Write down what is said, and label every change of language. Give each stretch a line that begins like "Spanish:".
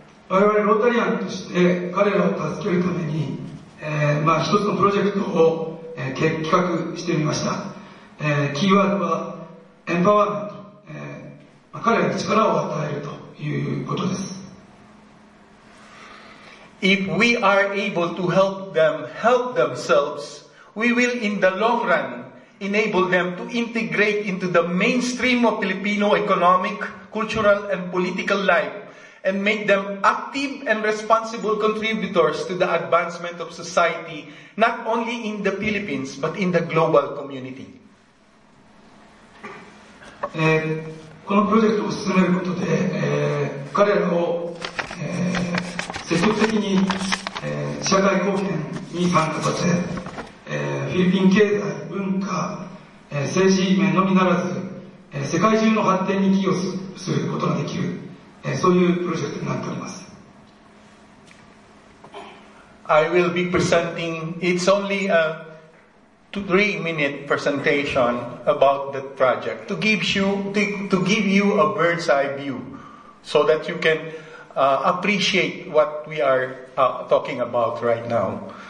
Japanese: 我々ロータリアンとして彼らを助けるために、一つのプロジェクトを、企画してみました、キーワードはエンパワーメント、彼らに力を与えるということです。
English: If we are able to help them help themselves, we will in the long run enable them to integrate into the mainstream of Filipino economic, cultural and political lifeand make them active and responsible contributors to the advancement of society, not only in the Philippines, but in the global community.
Japanese: このプロジェクトを進めることで、彼らを、積極的に、社会貢献に参加させ、フィリピン経済、文化、政治面のみならず、世界中の発展に寄与することができる。そういうプロジェクトになっております。
English: I will be presenting, it's only a 3-minute presentation about the project to give you a bird's eye view so that you can appreciate what we are talking about right now.